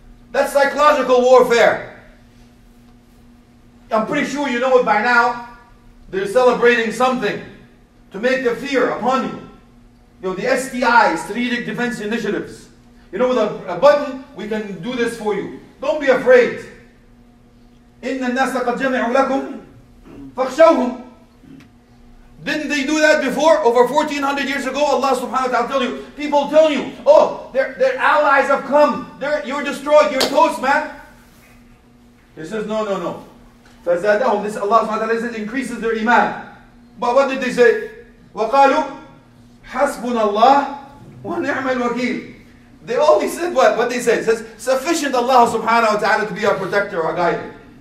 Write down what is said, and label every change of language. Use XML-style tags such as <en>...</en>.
<en>That's psychological warfare. I'm pretty sure you know it by now. They're celebrating something to make the fear upon you. You know, the SDI, Strategic Defense Initiatives. You know, with a button, we can do this for you. Don't be afraid.</en> <ar>إِنَّ النَّاسَ قَدْ جَمِعُوا لَكُمْ فَخْشَوْهُمْ</ar> <en>Didn't they do that before? Over 1400 years ago, Allah subhanahu wa ta'ala tell you, people tell you, oh, their allies have come. You're destroyed. You're toast, man. He says, no.</en> <ar>فَزَادَهُمْ</ar> <en>This Allah subhanahu wa ta'ala increases their iman. But what did they say?</en> <ar>وَقَالُوا حَسْبُنَ اللَّهِ وَنِعْمَ الْوَكِيلِ</ar> <en>They only said what they said. It says, sufficient Allah subhanahu wa ta'ala to be our protector, our guide.</en>